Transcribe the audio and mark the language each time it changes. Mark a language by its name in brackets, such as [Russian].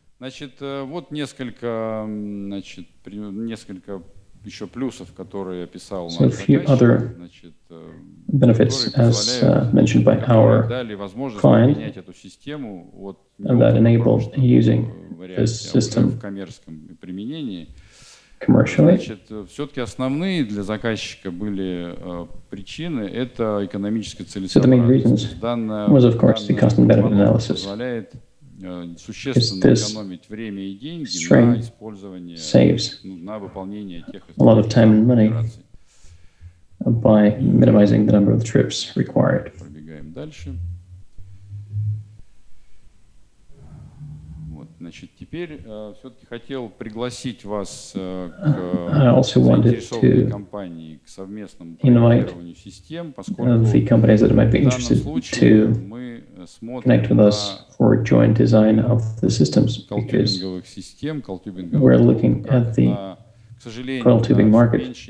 [Russian] Значит, вот несколько, значит, несколько еще плюсов, которые описал [English] so [Russian] наш заказчик, значит, [English] benefits, as mentioned by our client, and that enabled using this system commercially. [Russian] Значит, все-таки основные для заказчика были причины, это экономическая целесообразность. [English] So the main reasons was, of course, the cost and benefit analysis. This string saves a lot of time and money by minimizing the number of trips required. [Russian] Пробегаем дальше. Значит, теперь все-таки хотел пригласить вас компании к совместному проектированию систем, поскольку [English] the companies that might be interested to connect with us for joint design of the systems, because we're looking at the coiled tubing market